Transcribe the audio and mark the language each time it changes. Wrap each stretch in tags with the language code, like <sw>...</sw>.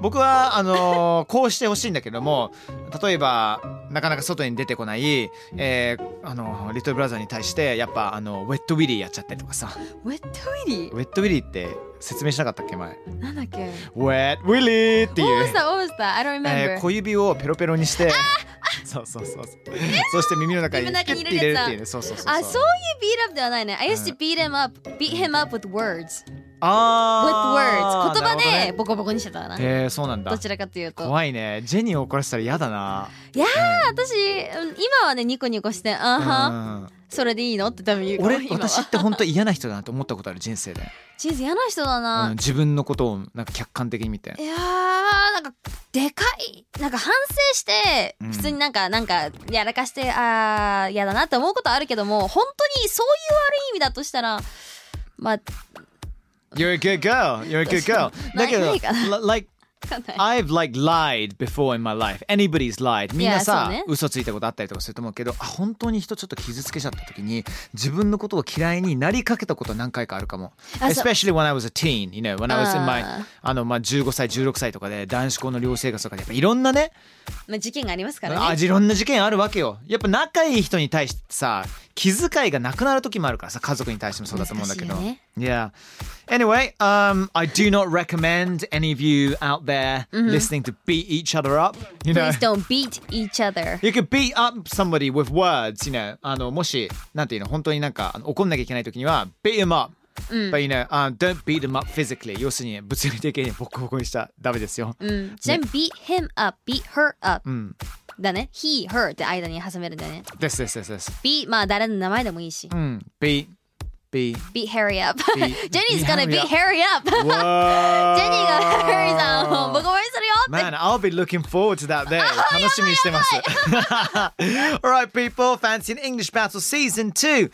<ja>僕はこうしてほしいんだけども、例えばなかなか外に出てこない、リトルブラザーに対してやっぱウェットウィリーやっちゃったりとかさ。ウェットウィリー、ウェットウィリーって説明しなかったっけ前。なんだっけ、ウェットウィリーっていう。</ja> <en>オーストラ、オーストラ、I don't remember。</en> <ja>小指をペロペロにして、あ、そうそうそうそう、そして耳の中にキュッて入れるっていうね。そうそうそう、あ、そういうビートアップではないね。</ja> <en>I used to beat him up、beat him up with words。あ、 With words、</en> <ja>言葉でボコボコにしてたな。へえ、そうなんだ。どちらかというと怖いね。ジェニーを怒らせたら嫌だな。いやー、うん、私今はねニコニコして、あは、うん、それでいいのって多分言うか。俺、私って本当嫌な人だなと思ったことある、人生で。人生嫌な人だな、うん、自分のことをなんか客観的に見て。いやー、なんかでかい、なんか反省して普通になんかやらかして、あー嫌だなって思うことあるけども、本当にそういう悪い意味だとしたら、まあ、</ja> <en>You're a good girl. You're a good girl.</en> <ja>だけど、</ja> <en>like, I've like lied before in my life. Anybody's lied.</en> <ja>みんなさ、ね、嘘ついたことあったりとかすると思うけど、あ、本当に人ちょっと傷つけちゃった時に、自分のことを嫌いになりかけたこと何回かあるかも。</ja> <en>Especially when I was a teen, you know, when I was in my,</en> <ja>まあ、15歳、16歳とかで、男子校の寮生活とかで、やっぱいろんなね、まあ、事件がありますからね。あ、いろんな事件あるわけよ。やっぱ仲いい人に対してさ、気遣いがなくなる時もあるからさ、家族に対してもそうだと思うんだけど。</ja> <en>Yeah. Anyway, I do not recommend any of you out there listening to beat each other up. You know? Please don't beat each other. You could beat up somebody with words, you know.</en> <ja>もし、なんていうの、本当になんか怒んなきゃいけない時には、</ja> <en>beat him up. But you know, don't beat him up physically.</en> <ja>要するに物理的にボコボコにしたらダメですよ。</ja> <en>Then beat him up, beat her up. うん。</en> <ja>だね、</ja> <en>he, her</en> <ja>って間に挟めるんだね。</ja> <en>This, this, this, this.</en> <ja>Beat, まあ誰の名前でもいいし。</ja> <en>うん、beat, beat. Beat Harry up. Beat, Jenny's gonna beat Harry up.</en> <ja>Jenny が Harry さんをボコボコにするよって。</ja> <en>Man, I'll be looking forward to that day.</en> <ja>楽しみにしてます。</ja> <en>Alright, people, Fancy an English Battle Season 2.</en>